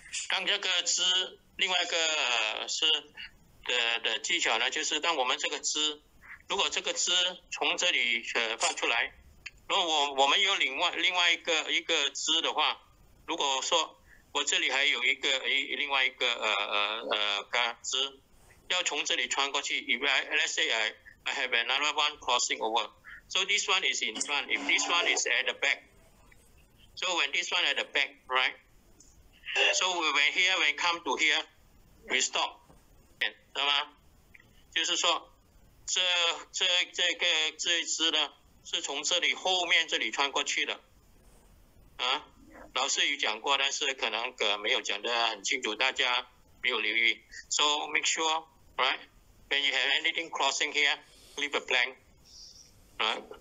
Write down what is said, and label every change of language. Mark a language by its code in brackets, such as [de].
[zh] 当这个枝，另外一个是的技巧呢，就是当我们这个枝，如果这个枝从这里放出来。如果我们有另外一个枝的话，如果说我这里还有另外一个杆枝，要从这里穿过去。 [en] If let's say I have another one crossing over, so this one is in front. If this one is at the back, so when this one at the back, right? So when come to here, we stop， [zh] 懂吗？就是说，这一枝呢？是从这里后面这里穿过去的，老师有讲过，但是可能没有讲得很清楚，大家没有留意。 [en] So make sure, right? When you have anything crossing here, leave a blank, right?